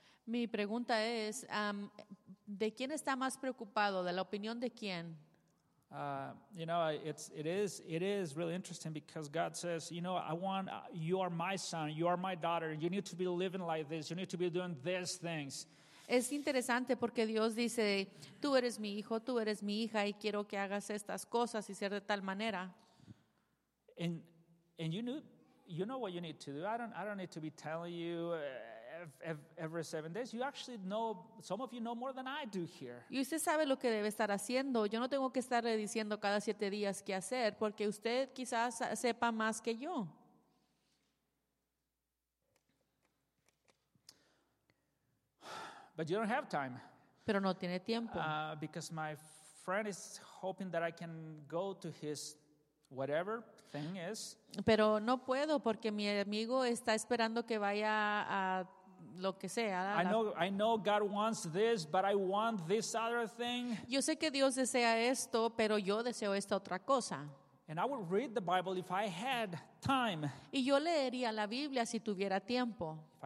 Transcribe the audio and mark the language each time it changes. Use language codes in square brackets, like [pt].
[es] Mi pregunta es, ¿de quién está más preocupado? ¿De la opinión de quién? [en] It is really interesting because God says, you know, I want, you are my son, you are my daughter, you need to be living like this, you need to be doing these things. [es] Es interesante porque Dios dice, tú eres mi hijo, tú eres mi hija y quiero que hagas estas cosas y ser de tal manera. [en] And you know what you need to do. I don't need to be telling you every 7 days. You actually know, some of you know more than I do here. [es] Y usted sabe lo que debe estar haciendo. Yo no tengo que estarle diciendo cada 7 días qué hacer porque usted quizás sepa más que yo. [en] But you don't have time. [es] Pero no tiene tiempo. [en] Because my friend is hoping that I can go to his whatever thing is. [es] Pero no puedo porque mi amigo está esperando que vaya a lo que sea. [en] I know God wants this, but I want this other thing. [es] Yo sé que Dios desea esto, pero yo deseo esta otra cosa. [en] And I would read the Bible if I had time. [es] Y yo leería la Biblia si tuviera tiempo.